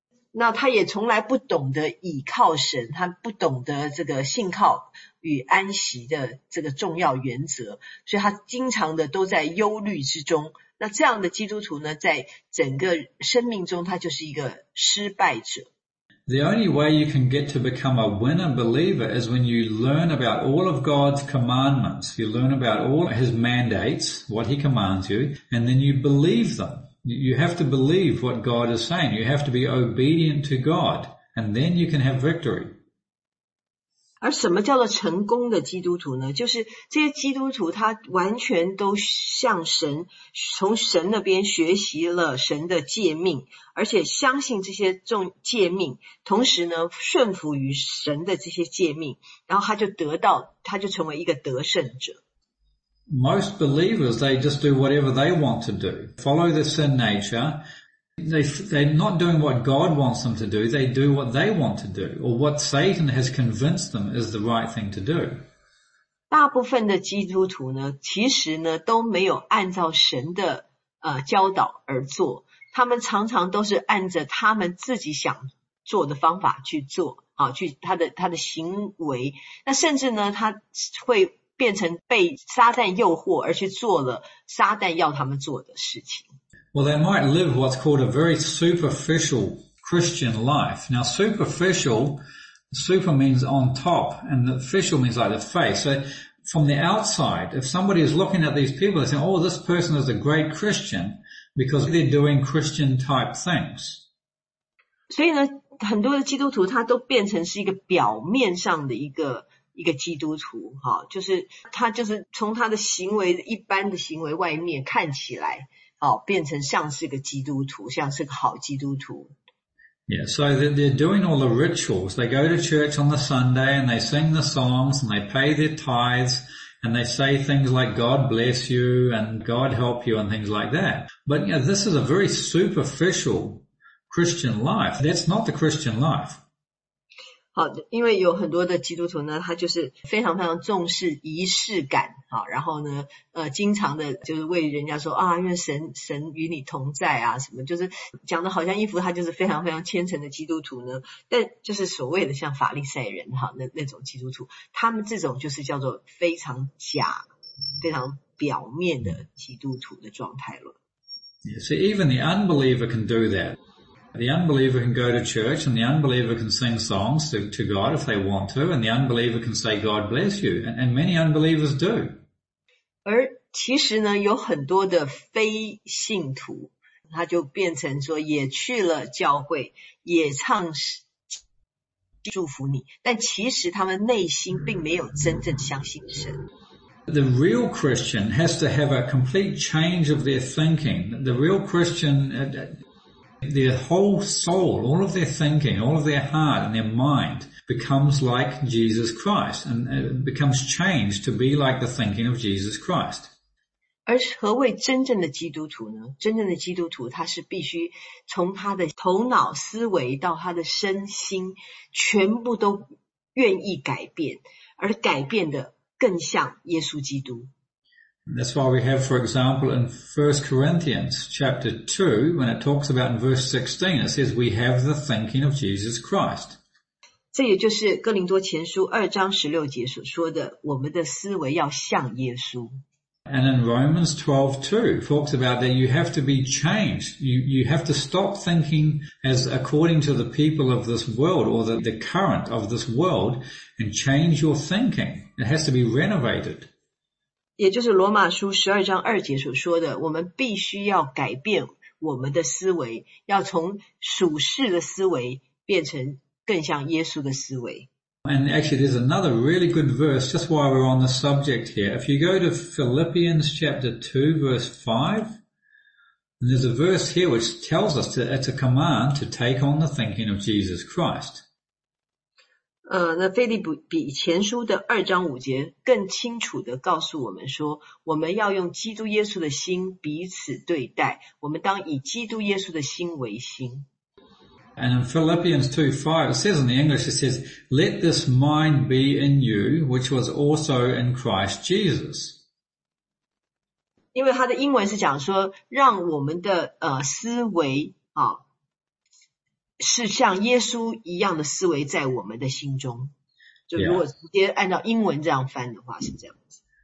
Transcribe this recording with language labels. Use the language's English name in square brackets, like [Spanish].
[Chinese] 那他也从来不懂得倚靠神，他不懂得这个信靠与安息的这个重要原则，所以他经常的都在忧虑之中。那这样的基督徒呢，在整个生命中他就是一个失败者。 [English] The only way you can get to become a winner believer is when you learn about all of God's commandments. You learn about all His mandates, what He commands you, and then you believe them. You have to believe what God is saying. You have to be obedient to God, and then you can have victory. [Chinese] 而什么叫做成功的基督徒呢？就是这些基督徒他完全都向神，从神那边学习了神的诫命，而且相信这些重诫命，同时呢顺服于神的这些诫命，然后他就成为一个得胜者。 [English] Most believers, they just do whatever they want to do. Follow the sin nature. They're not doing what God wants them to do. They do what they want to do, or what Satan has convinced them is the right thing to do. [Chinese] 大部分的基督徒呢，其实呢都没有按照神的教导而做。他们常常都是按着他们自己想做的方法去做，去他的行为。那甚至呢，他会变成被撒旦诱惑而去做了撒旦要他们做的事情。 [English] Well, they might live what's called a very superficial Christian life. Now, superficial, super means on top, and the official means like the face. So, from the outside, if somebody is looking at these people, they're saying, oh, this person is a great Christian, because they're doing Christian type things. [Chinese] 所以呢，很多的基督徒他都变成是一个表面上的一个基督徒，就是他就是从他的行为，一般的行为外面看起来，变成像是个基督徒，像是个好基督徒。 [English] Yeah, so they're doing all the rituals. They go to church on the Sunday and they sing the songs and they pay their tithes and they say things like God bless you and God help you and things like that. But you know, this is a very superficial Christian life. That's not the Christian life. [Chinese] 好，因为有很多的基督徒呢，他就是非常非常重视仪式感，然后呢经常的就是为人家说啊，因为神与你同在啊，什么就是讲的好像一副他就是非常非常虔诚的基督徒呢，但就是所谓的像法利赛人那种基督徒，他们这种就是叫做非常假非常表面的基督徒的状态了。 [English] Yeah, so even the unbeliever can do that. The unbeliever can go to church and the unbeliever can sing songs to God if they want to, and the unbeliever can say God bless you, and many unbelievers do. [Chinese] 而其实呢，有很多的非信徒，他就变成说也去了教会，也唱诗祝福你，但其实他们内心并没有真正相信神。 [English] The real Christian has to have a complete change of their thinking. The real Christian, their whole soul, all of their thinking, all of their heart and their mind becomes like Jesus Christ and becomes changed to be like the thinking of Jesus Christ. [Chinese] 而何谓真正的基督徒呢？真正的基督徒，他是必须从他的头脑思维到他的身心，全部都愿意改变，而改变的更像耶稣基督。 [English] That's why we have, for example, in 1 Corinthians chapter 2, when it talks about in verse 16, it says we have the thinking of Jesus Christ. [Chinese] 这也就是哥林多前书二章十六节所说的，我们的思维要像耶稣。 [English] And in Romans 12:2, talks about that you have to be changed. You have to stop thinking as according to the people of this world or the current of this world and change your thinking. It has to be renovated. [Chinese] 也就是罗马书十二章二节所说的，我们必须要改变我们的思维，要从属世的思维变成更像耶稣的思维。 [English] And actually there's another really good verse just while we're on the subject here. If you go to Philippians chapter 2 verse 5, and there's a verse here which tells us that it's a command to take on the thinking of Jesus Christ. [Chinese] 那腓立比前书的二章五节更清楚地告诉我们说，我们要用基督耶稣的心彼此对待，我们当以基督耶稣的心为心。 [English] And in Philippians 2:5, it says in the English, it says, let this mind be in you, which was also in Christ Jesus. [Chinese] 因为他的英文是讲说，让我们的思维啊，是像耶稣一样的思维在我们的心中。就如果直接按照英文这样翻的话，是这样子。